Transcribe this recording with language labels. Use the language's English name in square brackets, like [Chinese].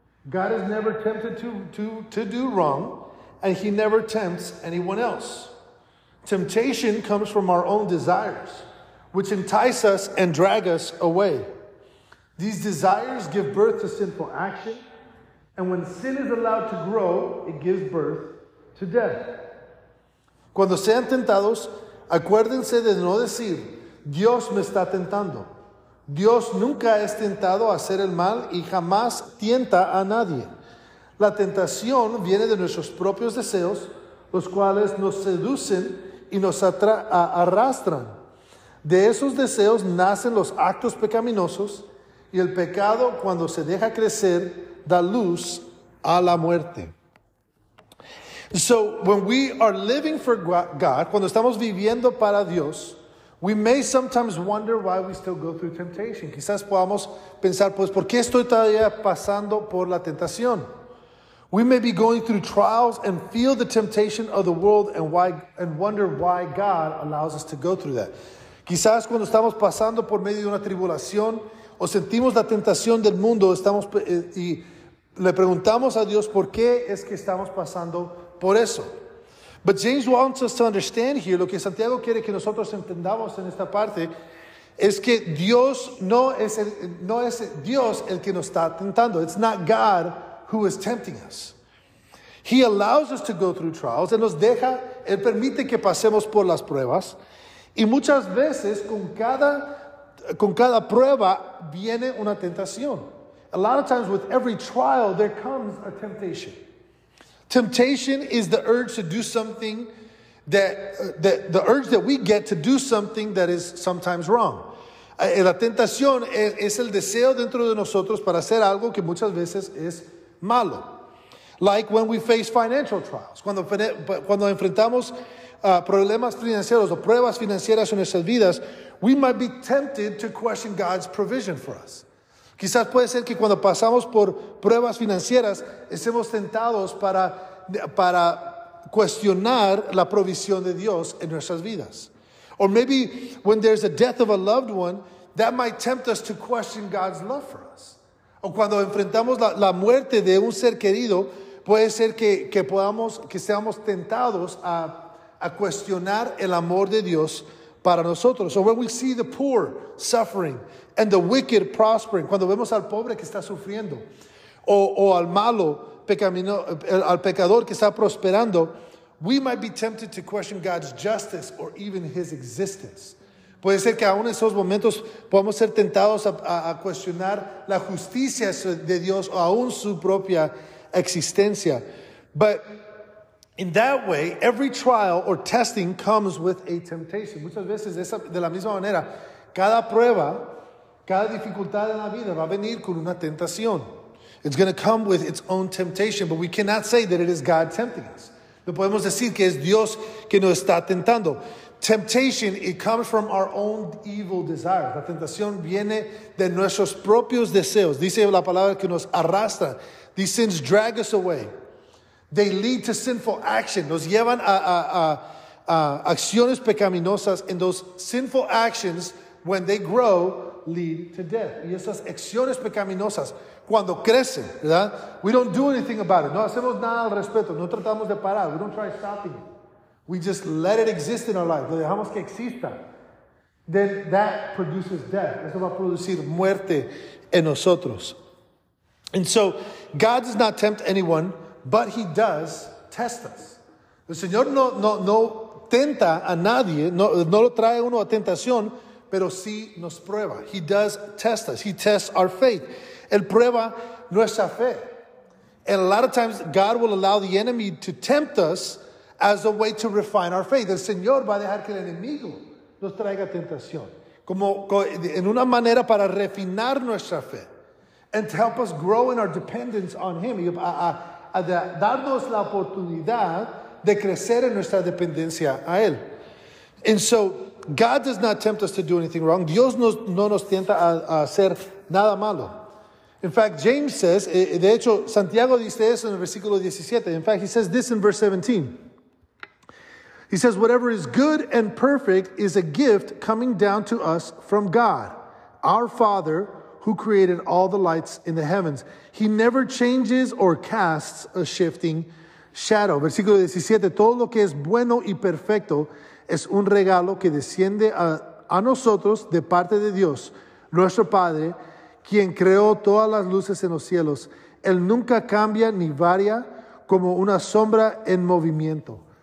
[English] God is never tempted to do wrong, and he never tempts anyone else. Temptation comes from our own desires, which entice us and drag us away. These desires give birth to sinful action, and when sin is allowed to grow, it gives birth to death. [Spanish] Cuando sean tentados, acuérdense de no decir, Dios me está tentando. Dios nunca es tentado a hacer el mal y jamás tienta a nadie. La tentación viene de nuestros propios deseos, los cuales nos seducen y nos arrastran. De esos deseos nacen los actos pecaminosos y el pecado, cuando se deja crecer, da luz a la muerte. [English] So, when we are living for God, [Spanish] cuando estamos viviendo para Dios, [English] we may sometimes wonder why we still go through temptation. [Spanish] Quizás podamos pensar, pues, ¿por qué estoy todavía pasando por la tentación? [English] We may be going through trials and feel the temptation of the world and wonder why God allows us to go through that. [Spanish] Quizás cuando estamos pasando por medio de una tribulación o sentimos la tentación del mundo, estamos y le preguntamos a Dios, ¿por qué es que estamos pasando por eso? [English] But James wants us to understand here, [Spanish] lo que Santiago quiere que nosotros entendamos en esta parte, es que Dios no es Dios el que nos está tentando. [English] It's not God who is tempting us. He allows us to go through trials. [Spanish] Él nos deja, Él permite que pasemos por las pruebas. Y muchas veces con cada prueba viene una tentación. [English] A lot of times with every trial there comes a temptation. Temptation is the urge to do something that we get to do something that is sometimes wrong. [Spanish] La tentación es el deseo dentro de nosotros para hacer algo que muchas veces es malo. [English] Like when we face financial trials. [Spanish] Cuando enfrentamos problemas financieros o pruebas financieras en nuestras vidas, [English] we might be tempted to question God's provision for us. [Spanish] Quizás puede ser que cuando pasamos por pruebas financieras estemos tentados para cuestionar la provisión de Dios en nuestras vidas. [English] Or maybe when there's a death of a loved one, that might tempt us to question God's love for us. [Spanish] O cuando enfrentamos la muerte de un ser querido, puede ser que seamos tentados a cuestionar el amor de Dios para nosotros. [English] So when we see the poor suffering and the wicked prospering, [Spanish] cuando vemos al pobre que está sufriendo o al malo al pecador que está prosperando, [English] we might be tempted to question God's justice or even his existence. [Spanish] Puede ser que aún en esos momentos podamos ser tentados a cuestionar la justicia de Dios o aún su propia existencia. [English] But in that way, every trial or testing comes with a temptation. [Spanish] Muchas veces, de la misma manera, cada prueba, cada dificultad en la vida va a venir con una tentación. [English] It's going to come with its own temptation, but we cannot say that it is God tempting us. [Spanish] No podemos decir que es Dios que nos está tentando. [English] Temptation, it comes from our own evil desires. [Spanish] La tentación viene de nuestros propios deseos. Dice la palabra que nos arrastra. [English] These sins drag us away. They lead to sinful action. [Spanish] Nos llevan a acciones pecaminosas. [English] And those sinful actions, when they grow, lead to death. [Spanish] Y esas acciones pecaminosas, cuando crece, ¿verdad? [English] We don't do anything about it. [Spanish] No hacemos nada al respecto. No tratamos de parar. [English] We don't try stopping it. We just let it exist in our life. [Spanish] Lo dejamos que exista. [English] Then that produces death. [Spanish] Eso va a producir muerte en nosotros. [English] And so, God does not tempt anyone, but he does test us. [Spanish] El Señor no tenta a nadie, no lo trae uno a tentación, pero sí nos prueba. [English] He does test us. He tests our faith. [Spanish] Él prueba nuestra fe. [English] And a lot of times, God will allow the enemy to tempt us as a way to refine our faith. [Spanish] El Señor va a dejar que el enemigo nos traiga tentación. Como en una manera para refinar nuestra fe. [English] And to help us grow in our dependence on him. [Spanish] A darnos la oportunidad de crecer en nuestra dependencia a él. [English] And so, God does not tempt us to do anything wrong. [Spanish] Dios no nos tienta a hacer nada malo. [English] In fact, James says, [Spanish] de hecho, Santiago dice eso en el versículo 17. [English] In fact, he says this in verse 17. He says, whatever is good and perfect is a gift coming down to us from God, our Father, who created all the lights in the heavens. He never changes or casts a shifting shadow. [Spanish] Versículo 17, todo lo que es bueno y perfecto es un regalo que desciende a nosotros de parte de Dios, nuestro Padre, quien creó todas las luces en los cielos. Él nunca cambia ni varía como una sombra en movimiento.